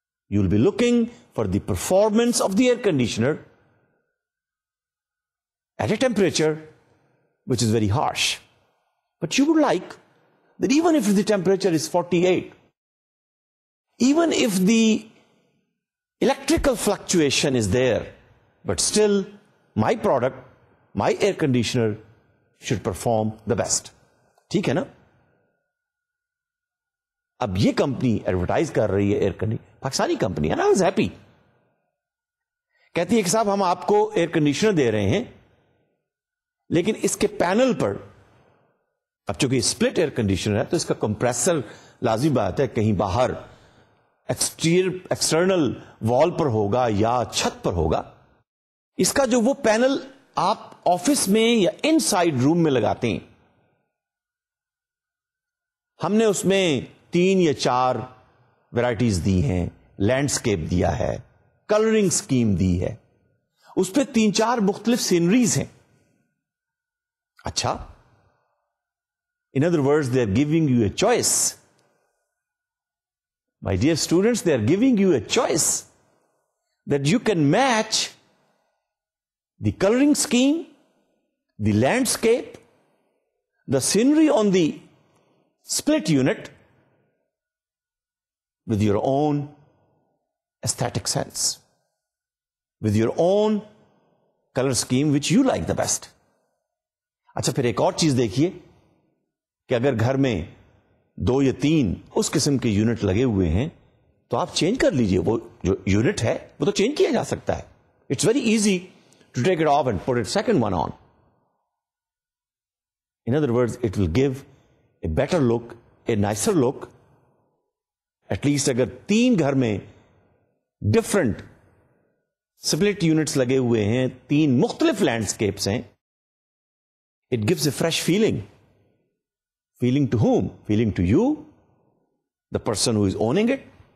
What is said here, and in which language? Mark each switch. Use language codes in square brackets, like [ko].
[en] You will be looking for the performance of the air conditioner at a temperature which is very harsh, but you would like that even if the temperature is 48, even if the electrical fluctuation is there, but still my product, my air conditioner should perform the best. [ur] ٹھیک ہے نا. اب یہ company advertise کر رہی ہے air condition, Pakistani company, [en] I was happy. [ur] کہتی ہے کہ صاحب ہم آپ کو ایئر کنڈیشنر دے رہے ہیں لیکن اس کے پینل پر, اب چونکہ سپلٹ ایئر کنڈیشنر ہے تو اس کا کمپریسر لازمی بات ہے کہیں باہر ایکسٹرنل وال پر ہوگا یا چھت پر ہوگا. اس کا جو وہ پینل آپ آفس میں یا ان سائڈ روم میں لگاتے ہیں, ہم نے اس میں تین یا چار ویرائٹیز دی ہیں, لینڈسکیپ دیا ہے, کلرنگ سکیم دی ہے, اس پہ تین چار مختلف سینریز ہیں. اچھا, [en] In other words they are giving you a choice, my dear students, they are giving you a choice that you can match the colouring scheme, the landscape, the scenery on the split unit with your own aesthetic sense with your own color scheme which you like the best. [ur] اچھا پھر ایک اور چیز دیکھیے کہ اگر گھر میں دو یا تین اس قسم کے یونٹ لگے ہوئے ہیں تو آپ چینج کر لیجئے, وہ جو یونٹ ہے وہ تو چینج کیا جا سکتا ہے. [en] It's very easy to take it off and put it second one on. In other words it will give a better look, a nicer look. [ur] At least اگر تین گھر میں ڈفرنٹ سپلٹ یونٹس لگے ہوئے ہیں, تین مختلف لینڈسکیپس ہیں, [en] It gives a fresh feeling. Feeling to whom? Feeling to you, the person who is owning it.